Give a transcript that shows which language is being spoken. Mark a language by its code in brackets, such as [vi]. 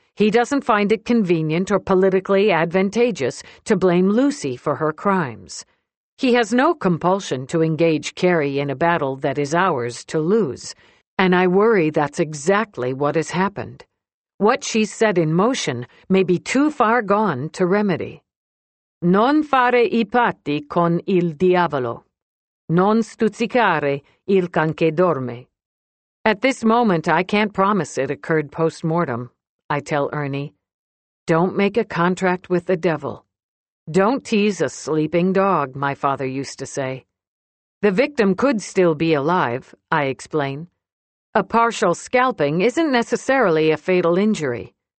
[en] He doesn't find it convenient or politically advantageous to blame Lucy for her crimes. He has no compulsion to engage Carrie in a battle that is ours to lose, and I worry that's exactly what has happened. What she set in motion may be too far gone to remedy. [it] Non fare I patti con il diavolo. Non stuzzicare il can che dorme. [en] At this moment, I can't promise it occurred post-mortem, I tell Ernie. Don't make a contract with the devil. Don't tease a sleeping dog, my father used to say. The victim could still be alive, I explain. A partial scalping isn't necessarily a fatal injury.